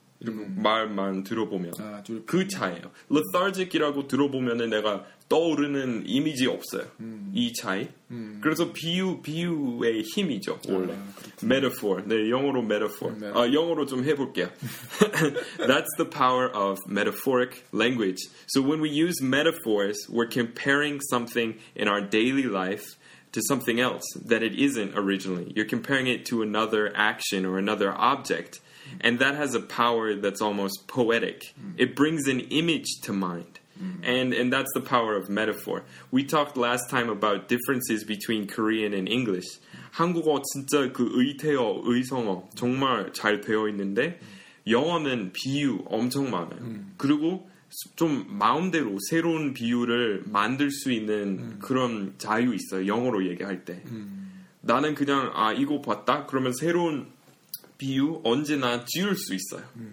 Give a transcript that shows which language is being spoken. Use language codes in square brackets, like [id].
[ko] 말만 들어보면 아, 그 차이예요. Lethargic이라고 들어보면은 내가 떠오르는 이미지 없어요. 이 차이. 그래서 비유의 힘이죠 원래. 아, metaphor. 네 영어로 metaphor. 네, 아 영어로 좀 해볼게요. [en] That's the power of metaphoric language. So when we use metaphors, we're comparing something in our daily life to something else that it isn't originally. You're comparing it to another action or another object. And that has a power that's almost poetic. It brings an image to mind. And that's the power of metaphor. We talked last time about differences between Korean and English. [ko] 한국어 진짜 그 의태어, 의성어 정말 잘 되어 있는데 영어는 비유 엄청 많아요. 그리고 좀 마음대로 새로운 비유를 만들 수 있는 그런 자유 있어요. 영어로 얘기할 때. 나는 그냥 아 이거 봤다? 그러면 새로운 비유 언제나 지을 수 있어요.